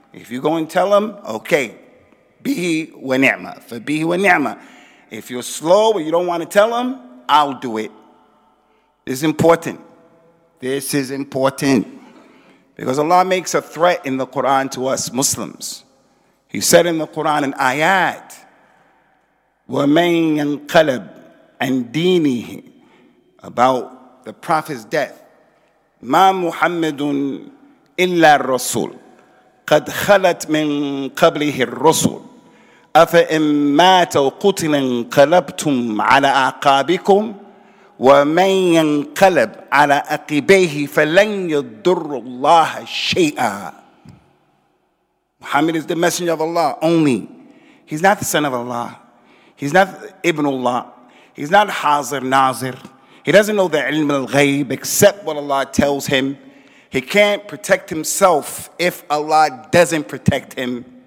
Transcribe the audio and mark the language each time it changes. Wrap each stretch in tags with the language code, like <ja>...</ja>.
<en>If you go and tell them, okay, bihi wa ni'ma, for bihi wa ni'ma. If you're slow and you don't want to tell them, I'll do it. This is important. Because Allah makes a threat in the Quran to us Muslims. He said in the Quran in ayat,</en> <ar>وَمَنْ يَنْقَلَبْ عَنْ دِينِهِ,</ar> <en>about the Prophet's death,</en> <ar>مَا مُحَمَّدٌ إِلَّا الرَّسُولُ قَدْ خَلَتْ مِنْ قَبْلِهِ الرَّسُولُ أَفَإِنْ مَاتَ وَقُتِلَ انْقَلَبْتُمْ عَلَىٰ أَعْقَابِكُمْ وَمَنْ يَنْقَلَبْ عَلَىٰ أَقِبَيْهِ فَلَنْ يَضُرُّ اللَّهَ شَيْئًا.</ar> <en>Muhammad is the messenger of Allah only. He's not the son of Allah. He's not Ibnullah. He's not Hazir Nazir. He doesn't know the ilm al-ghayb except what Allah tells him. He can't protect himself if Allah doesn't protect him.</en>